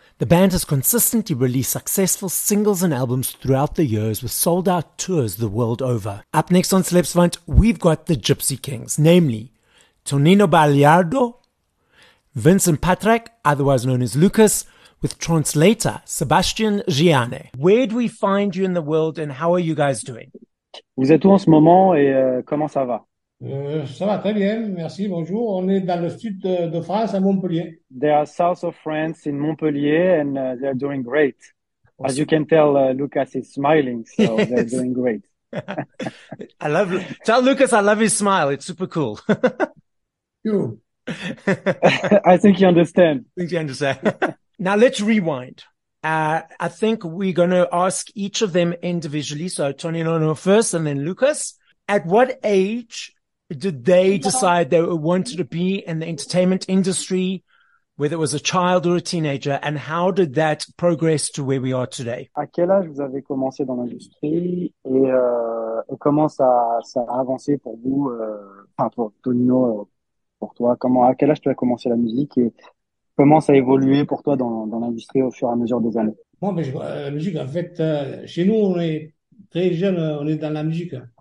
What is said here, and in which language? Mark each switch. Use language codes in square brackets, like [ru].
[en] The band has consistently released successful singles and albums throughout the years with sold-out tours the world over. Up next on Celeb Savant, we've got the Gipsy Kings, namely Tonino Baliardo, Vincent Patrick, otherwise known as Lucas, with translator Sebastian Giane. Where do we find you in the world and how are you guys doing? [fr] Vous êtes où en ce moment et comment ça va? Ça va très bien, merci, bonjour. On est dans le sud de France, à Montpellier. [en] They are south of France in Montpellier and they're doing great. Awesome. As you can tell, Lucas is smiling, so yes. They're doing great. Tell Lucas I love his smile, it's super cool. You. I think you understand. I think you understand. Now let's rewind. I think we're going to ask each of them individually, so Tonino first and then Lucas. At what age did they decide they wanted to be in the entertainment industry, whether it was a child or a teenager, and how did that progress to where we are today? [fr] À quel âge vous avez commencé dans l'industrie et comment ça a avancé pour vous, pour Tonino, pour toi, comment, à quel âge tu as commencé la musique et comment ça a évolué pour toi dans l'industrie au fur et à mesure des années? Moi, mais la musique, en fait, chez nous, on est très jeunes, on est dans la musique.